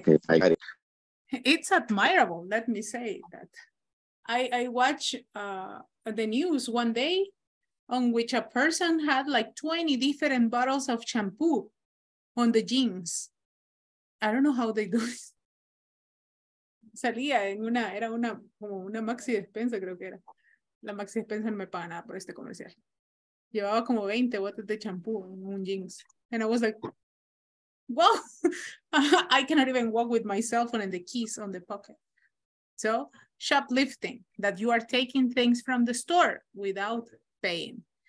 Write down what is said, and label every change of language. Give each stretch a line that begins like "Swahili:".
English: Okay, I got it. It's admirable, let me say that. I watch the news one day on which a person had like 20 different bottles of shampoo on the jeans. I don't know how they do it.
Spanish: Salía en una, era una, como una maxi despensa, creo que era. La maxi despensa me paga nada por este comercial. Llevaba como 20 botes de shampoo en un jeans.
English: And I was like, well, I cannot even walk with my cell phone and the keys on the pocket. So shoplifting, that you are taking things from the store without paying.